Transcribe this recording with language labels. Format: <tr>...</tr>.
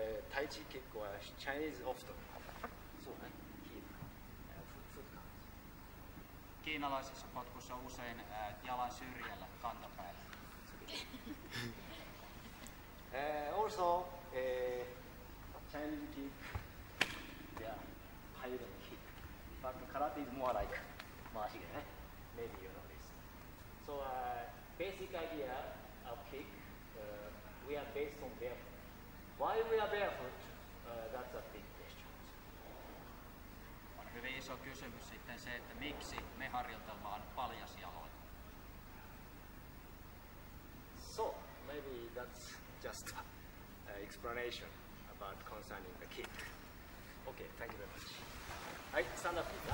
<en>Tai Chi kick or Chinese often. So, eh?</en> <fi>Kiinalaisessa potkussa usein jalan syrjällä kantapäällä.</fi> <en>Also Chinese kick, yeah, Thailand kick. But karate is more like martial arts, maybe you know this. So basic idea of kick, we are based on barefoot. Why we are barefoot? That's a big question.</en> <fi>On hyvin iso kysymys sitten se, että miksi me harjoitellaan paljasjaloin.</fi> <en>So maybe that's just explanation about concerning the kick. Okay, thank you very much. Hi, stand up.</en>